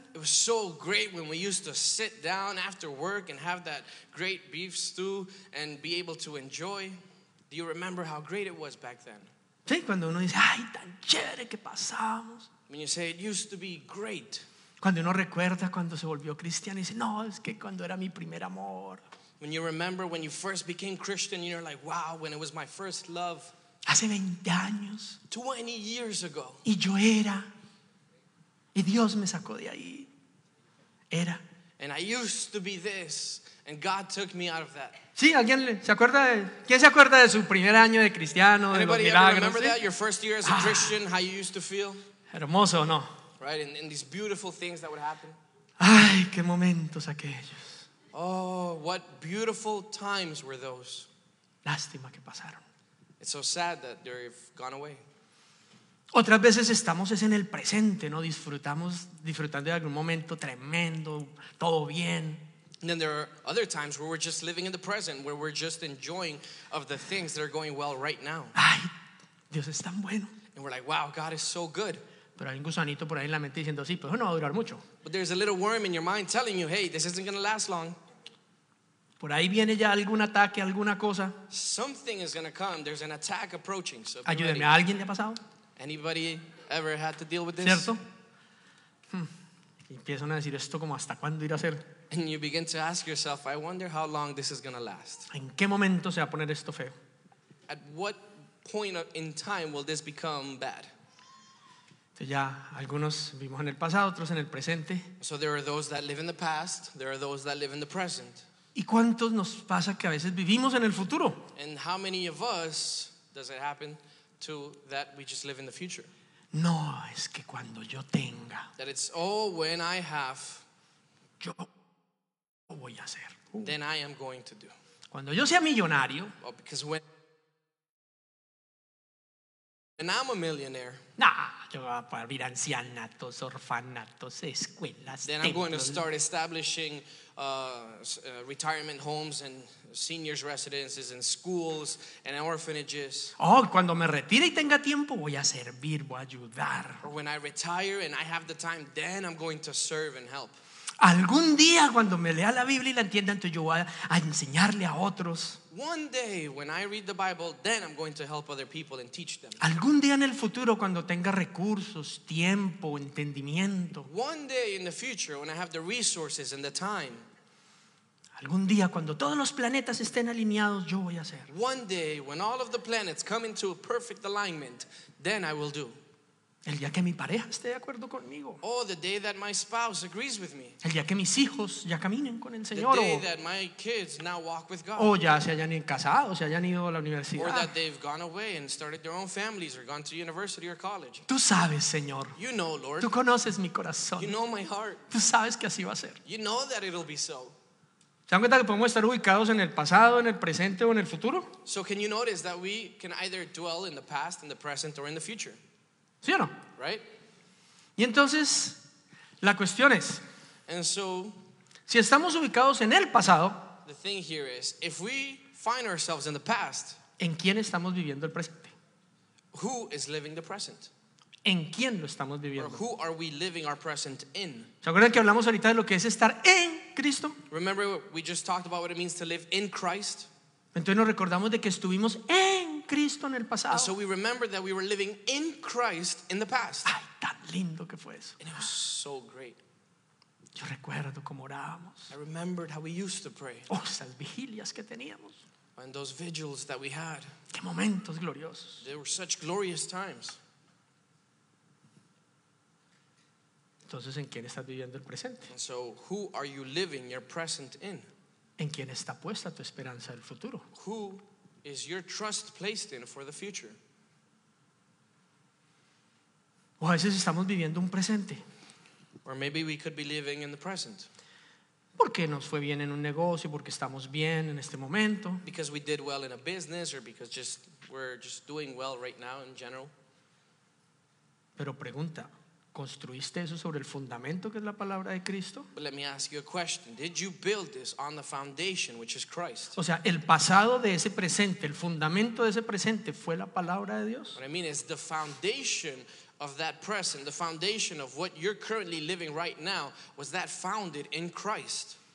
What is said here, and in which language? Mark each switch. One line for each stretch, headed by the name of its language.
English: It was so great when we used to sit down after work and have that great beef stew and be able to enjoy. Do you remember how great it was back then?
Spanish: Sí, cuando uno dice, ay, tan chévere que pasábamos.
English: When you say it used to be great.
Spanish: Cuando uno recuerda cuando se volvió cristiano y dice, no, es que cuando era mi primer amor.
English: When you remember when you first became Christian, you're like, wow, when it was my first love.
Spanish: Hace 20 años.
English: 20 years ago.
Spanish: Y yo era. Y Dios me sacó de ahí. Era.
English: And I used to be this, and God took me out of that.
Spanish: Sí, alguien se acuerda de, ¿quién se acuerda de su primer año de cristiano, de los milagros?
English: Remember
Spanish: ¿sí?
English: that, your first year as a Christian, how you used to feel?
Spanish: Hermoso, ¿no?
English: Right, and these beautiful things that would happen.
Spanish: Ay, qué momentos aquellos.
English: Oh, what beautiful times were those.
Spanish: Lástima que pasaron.
English: It's so sad that they've gone away.
Spanish: Otras veces estamos es en el presente, ¿no? Disfrutando de algún momento tremendo, todo bien.
English: And then there are other times where we're just living in the present, where we're just enjoying of the things that are going well right now.
Spanish: Ay, Dios es tan bueno.
English: And we're like, wow, God is so good.
Spanish: Pero hay un gusanito por ahí en la mente diciendo, sí, pero no va a durar mucho.
English: But there's a little worm in your mind telling you, hey, this isn't going to last long.
Spanish: Por ahí viene ya algún ataque, alguna cosa.
English: Something is going to come. There's an attack approaching. So
Spanish: ayúdeme, ¿a alguien le ha pasado?
English: Anybody ever had to deal with this?
Spanish: ¿Cierto? empiezan a decir esto como hasta cuándo irá a ser.
English: And you begin to ask yourself, I wonder how long this is going to last.
Spanish: ¿En qué momento se va a poner esto feo?
English: At what point in time will this become bad?
Spanish: Ya algunos vivimos en el pasado, otros en el presente.
English: So there are those that live in the past, there are those that live in the present.
Spanish: ¿Y cuántos nos pasa que a veces vivimos en el futuro?
English: And how many of us does it happen to that we just live in the future?
Spanish: No, es que cuando yo tenga.
English: That it's all when I have.
Spanish: Yo voy a hacer.
English: Then I am going to do.
Spanish: Cuando yo sea millonario.
English: Well, because when and I'm a millionaire.
Spanish: Nah, yo voy a abrir ancianatos, orfanatos, escuelas.
English: Then I'm going to start establishing retirement homes and seniors' residences and schools and orphanages.
Spanish: Oh, cuando me retire y tenga tiempo, voy a servir, voy a ayudar.
English: Or when I retire and I have the time, then I'm going to serve and help.
Spanish: Algún día cuando me lea la Biblia y la entienda, entonces yo voy a enseñarle a otros.
English: One day when I read the Bible, then I'm going to help other people and teach them.
Spanish: Algún día en el futuro cuando tenga recursos, tiempo, entendimiento.
English: One day in the future when I have the resources and the time.
Spanish: Algún día cuando todos los planetas estén alineados, yo voy a hacer.
English: One day when all of the planets come into a perfect alignment, then I will do.
Spanish: El día que mi pareja esté de acuerdo conmigo.
English: Oh, the day that my spouse agrees with me.
Spanish: El día que mis hijos ya caminen con el Señor.
English: The day that my kids now walk with God.
Spanish: O ya se hayan casado, se hayan ido a la universidad.
English: Or that they've gone away and started their own families or gone to university or college.
Spanish: Tú sabes, Señor.
English: You know, Lord.
Spanish: Tú conoces mi corazón.
English: You know my heart.
Spanish: Tú sabes que así va a ser.
English: You know that it'll be so.
Spanish: ¿Se dan cuenta que podemos estar ubicados en el pasado, en el presente o en el futuro?
English: So can you notice that we can either dwell in the past, in the present, or in the future?
Spanish: ¿Sí o no?
English: Right?
Spanish: Y entonces, la cuestión es,
English: and so,
Spanish: si estamos ubicados en el pasado,
English: the thing here is, if we find ourselves in the past,
Spanish: ¿en quién estamos viviendo el presente?
English: Who is living the present?
Spanish: ¿En quién lo estamos viviendo?
English: Or who are we living our present in?
Spanish: ¿Se acuerdan que hablamos ahorita de lo que es estar en Cristo?
English: Remember, we just talked about what it means to live in Christ.
Spanish: Entonces nos recordamos de que estuvimos en Cristo en el pasado.
English: And so we remember that we were living in Christ in the past.
Spanish: Ay, tan lindo que fue eso.
English: And it was so great.
Spanish: Yo recuerdo cómo orábamos.
English: I remembered how we used to pray.
Spanish: Oh, esas vigilias que teníamos.
English: And those vigils that we had.
Spanish: Qué momentos gloriosos.
English: They were such glorious times.
Spanish: Entonces, ¿en quién estás viviendo el presente?
English: And so who are you living your present in?
Spanish: ¿En quién está puesta tu esperanza del futuro?
English: Who is your trust placed in for the future?
Spanish: O a veces estamos viviendo un presente.
English: Or maybe we could be living in the present.
Spanish: Porque nos fue bien en un negocio, porque estamos bien en este momento.
English: Because we did well in a business, or because just we're just doing well right now in general.
Spanish: Pero pregunta. ¿Construiste eso sobre el fundamento que es la palabra de Cristo?
English: But let me ask you a question. Did you build this on the foundation which is Christ?
Spanish: O sea, el pasado de ese presente, el fundamento de ese presente fue la palabra de Dios.
English: What I mean is the foundation of that present, the foundation of what you're currently living right now, was that founded in Christ?